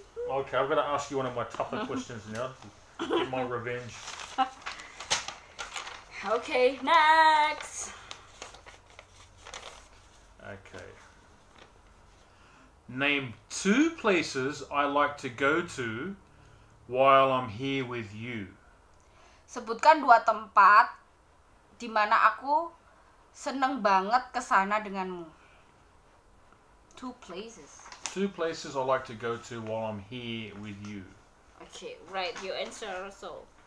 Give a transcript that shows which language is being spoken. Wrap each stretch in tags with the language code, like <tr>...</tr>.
<en>Okay, I'm gonna ask you one of my tougher questions now. Get my revenge. Okay, next. Okay. Name two places I like to go to while I'm here with you.</en> <id>Sebutkan dua tempat di mana aku seneng banget kesana denganmu.</id> <en>Two places. Two places I like to go to while I'm here with you. Okay, right. Your answer also.</en>